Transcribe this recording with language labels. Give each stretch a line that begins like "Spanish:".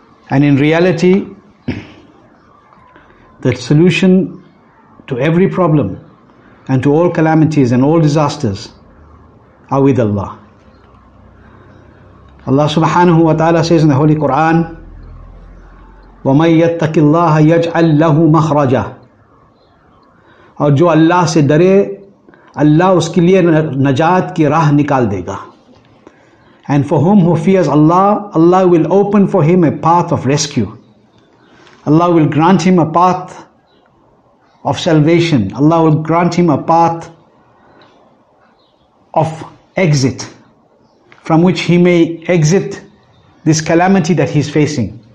English: And in reality, the solution to every problem and to all calamities and all disasters are with Allah. Allah subhanahu wa ta'ala says in the Holy Quran, وَمَنْ يَتَّقِ اللَّهَ يَجْعَلْ لَهُ مَخْرَجًا.
Urdu: اور جو اللہ سے ڈرے اللہ اس کے لیے نجات کی راہ نکال دے گا.
English: And for whom who fears Allah, Allah will open for him a path of rescue. Allah will grant him a path of salvation. Allah will grant him a path of exit from which he may exit this calamity that he's facing.